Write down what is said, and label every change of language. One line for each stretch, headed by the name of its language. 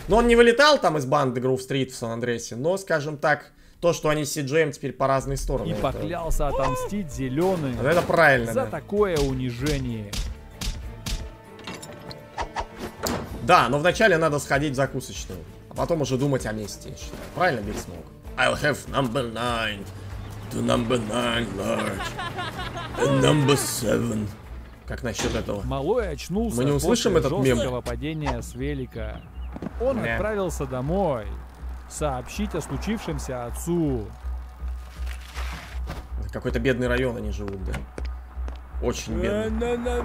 Russian: Но он не вылетал там из банды Гроув Стрит в Сан-Андреасе, но, скажем так, то, что они с СиДжеем теперь по разные стороны. И поклялся отомстить зеленым. Вот это правильно, за, да, такое унижение. Да, но вначале надо сходить в закусочную, а потом уже думать о месте. Правильно, Биг Смоук?
English: I'll have number 9 to number 9 large and number 7.
Russian: Как насчет этого? Малой очнулся. Мы не услышим после этот мем. Жесткого падения с велика. Он отправился домой сообщить о случившемся отцу. Какой-то бедный район они живут, да? Очень бедный.